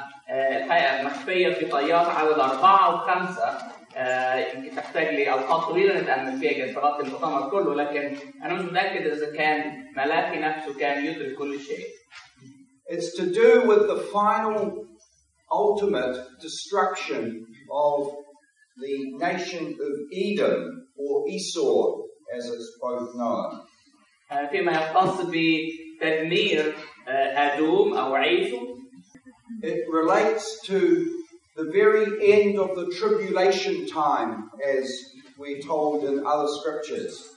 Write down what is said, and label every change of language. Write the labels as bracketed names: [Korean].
[Arabic] الحقيقة المخفية في طيات عدد 4 و5 يمكن تحتاج لي أوقات طويلة لتأمل فيها كي تغطي المؤتمر كله، لكن أنا مش متأكد إذا كان ملاكي نفسه كان يدرك كل شيء. [English] It's to do with the final ultimate destruction of the nation of Edom or Esau as it's both known. [Arabic] فيما يختص بتدمير أدوم أو عيسو. [English] It relates to the very end of the tribulation time, as we're told in other scriptures.